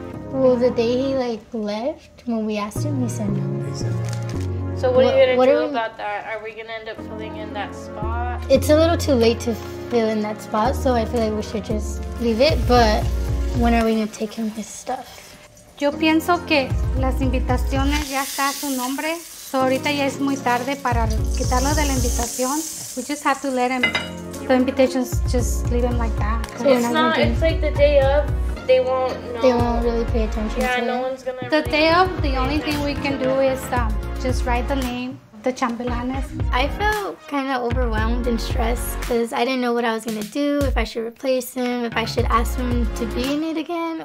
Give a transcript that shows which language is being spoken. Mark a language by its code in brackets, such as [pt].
[en] Well, the day he like left, when we asked him, he said no. He said no. So what are we gonna do about that? Are we gonna end up filling in that spot? It's a little too late to fill in that spot, so I feel like we should just leave it, but when are we gonna take him his stuff? [es] Yo pienso que las invitaciones ya está a su nombre, [en] so [es] ahorita ya es muy tarde para quitarlo de la invitación. [en] We just have to let him, the invitations, just leave him like that. It's not, it's like the day of. They won't know. They won't really pay attention to it. Yeah, no one's gonna really. The day of, the only thing we can do is just write the name, the chambelanes. I felt kind of overwhelmed and stressed because I didn't know what I was gonna do, if I should replace him, if I should ask him to be in it again.